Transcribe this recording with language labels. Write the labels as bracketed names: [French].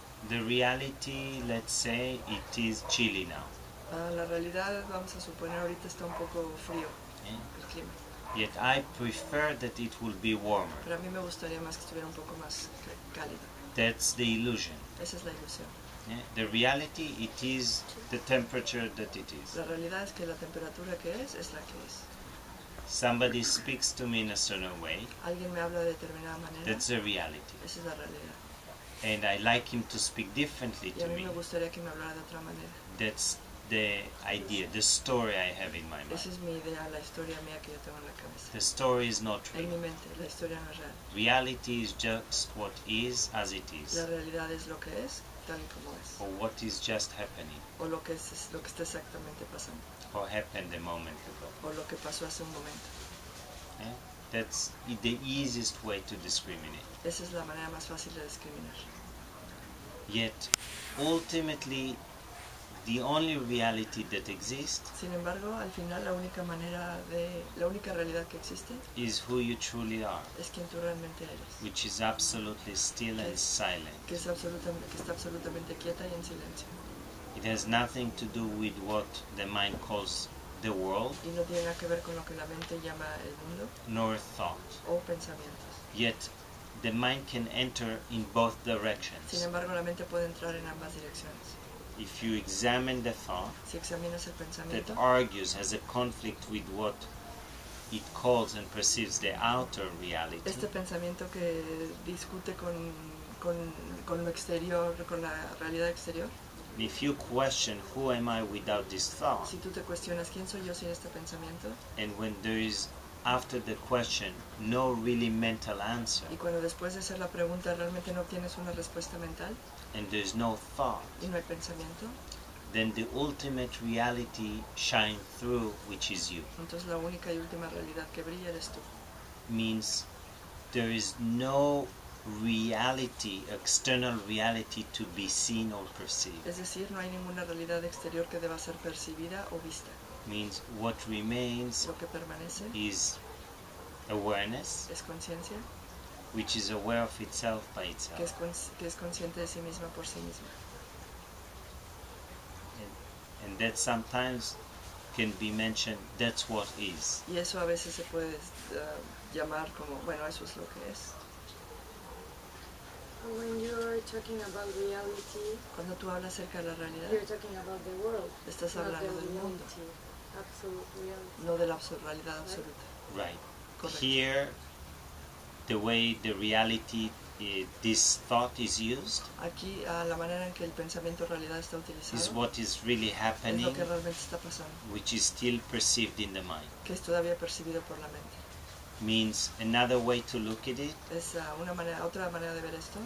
[English] The reality, let's say, it is chilly now. [Spanish] La realidad, vamos a suponer, ahorita está un poco frío. [English] Yeah. [Spanish] El clima. [English] Yet I prefer that it will be warmer. [Spanish] Pero a mí me gustaría más que estuviera un poco más cálido. [English] That's the illusion. [Spanish] Esa es la ilusión. [English] The reality it is the temperature that it is. [Spanish] La realidad es que la temperatura que es la que es. [English] Somebody speaks to me in a certain way. [Spanish] Alguien me habla de determinada manera. [English] That's a reality. [Spanish] Esa es la realidad. [English] And I like him to speak differently to me. [Spanish] Y a mí me gustaría que me hablara de otra manera. [English] That's the idea, the story I have in my mind. [Spanish] Esa es mi idea, la historia mía que yo tengo en la cabeza. [English] The story is not real. [Spanish] En mi mente, la historia no es real. [English] Reality is just what is as it is. [Spanish] La realidad es lo que es, tal y como es. [English] Or what is just happening. [Spanish] O lo que está exactamente pasando. [English] Or happened a moment ago. [Spanish] O lo que pasó hace un momento. [English] Yeah? That's the easiest way to discriminate. [Spanish] Esa es la manera más fácil de discriminar. [English] Yet, ultimately, the only reality that exists. [Spanish] Sin embargo, al final la única manera de la única realidad que existe [English] is who you truly are. [Spanish] Es quien tú realmente eres. [English] Which is absolutely still and silent. [Spanish] Que es que está absolutamente quieta y en silencio. [English] It has nothing to do with what the mind calls the world. [Spanish] Y no tiene nada que ver con lo que la mente llama el mundo. [English] Nor thought. [Spanish] O pensamientos. [English] Yet the mind can enter in both directions. [Spanish] Sin embargo, la mente puede entrar en ambas direcciones. [English] If you examine the thought [Spanish] si examinas el pensamiento, [English] that argues, has a conflict with what it calls and perceives the outer reality, [Spanish] este pensamiento que discute con lo exterior, con la realidad exterior, [English] if you question who am I without this thought, [Spanish] si tú te cuestionas quién soy yo sin este pensamiento, [English] and when there is after the question no really mental answer, [Spanish] y cuando después de hacer la pregunta realmente no obtienes una respuesta mental, [English] and there is no thought, [Spanish] y no hay pensamiento, [English] then the ultimate reality shines through, which is you. [Spanish] Entonces la única y última realidad que brilla eres tú. [English] Means there is no reality, external reality to be seen or perceived. [Spanish] Es decir, no hay ninguna realidad exterior que deba ser percibida o vista. [English] Means what remains [Spanish] lo que permanece [English] is awareness, [Spanish] es conciencia, [English] which is aware of itself by itself. [Spanish] Que es consciente de sí misma por sí misma. [English] And that sometimes can be mentioned, that's what is. [Spanish] Y eso a veces se puede llamar como, bueno, eso es lo que es. [English] When you're talking about reality, [Spanish] cuando tú hablas acerca de la realidad, [English] you're talking about the world, [Spanish] estás hablando del mundo. [English] Reality. [Spanish] No de la realidad absoluta. [English] Right. [Spanish] Correcto. [English] Here, the way the reality, this thought is used, [Spanish] aquí, la manera en que el pensamiento realidad está utilizado, [English] is what is really happening, [Spanish] es lo que realmente está pasando, [English] which is still perceived in the mind. [Spanish] Que es todavía percibido por la mente. [English] Means another way to look at it, [Spanish] es una manera, otra manera de ver esto,